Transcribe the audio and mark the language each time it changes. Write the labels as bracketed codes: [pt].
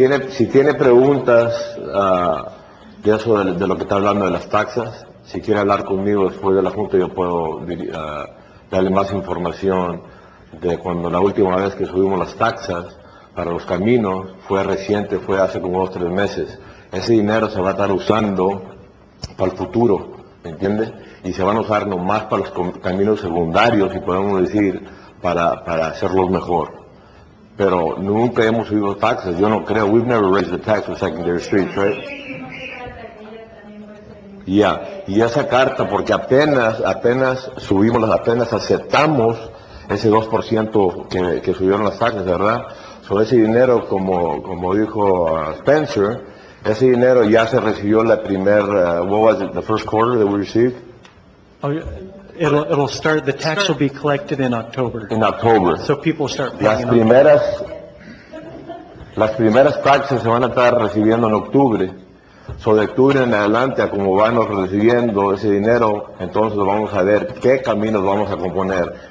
[es] Si tiene preguntas de eso de lo que está hablando de las taxas, si quiere hablar conmigo después de la junta, yo puedo darle más información de cuando la última vez que subimos las taxas para los caminos fue reciente, fue hace como 2 o 3 meses. Ese dinero se va a estar usando para el futuro. ¿Me entiende? Y se van a usar nomás para los caminos secundarios, si podemos decir, para hacerlos mejor. Pero nunca hemos subido taxes. Yo no creo. [en] We've never raised the tax for secondary streets, right? Yeah. [es] Y esa carta, porque apenas aceptamos ese 2% que subieron las taxes, ¿verdad? Sobre ese dinero, como dijo Spencer, ese dinero ya se recibió la primer, [en] what was it, the first quarter that we received? Oh, it'll start, the tax will be collected in October. In October. So people start paying. [es] Las primeras taxes se van a estar recibiendo en octubre. So de octubre en adelante, como vamos recibiendo ese dinero, entonces vamos a ver qué caminos vamos a componer.